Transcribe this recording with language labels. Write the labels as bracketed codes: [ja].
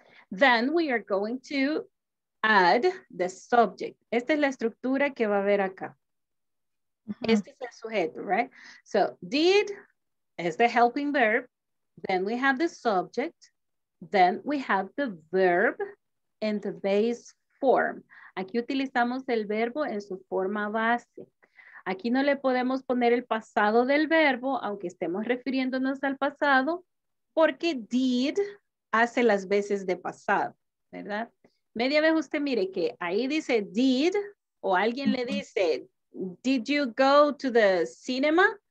[en] Then we are going to add the subject. [es] Esta es la estructura que va a haber acá. [en] Uh-huh. [es] Este es el sujeto, [en] right? So, did is the helping verb. Then we have the subject. Then we have the verb in the base form. [es] Aquí utilizamos el verbo en su forma base. Aquí no le podemos poner el pasado del verbo, aunque estemos refiriéndonos al pasado, porque did hace las veces de pasado, ¿verdad? Media vez usted mire que ahí dice did, o alguien le dice, [en] did you go to the cinema?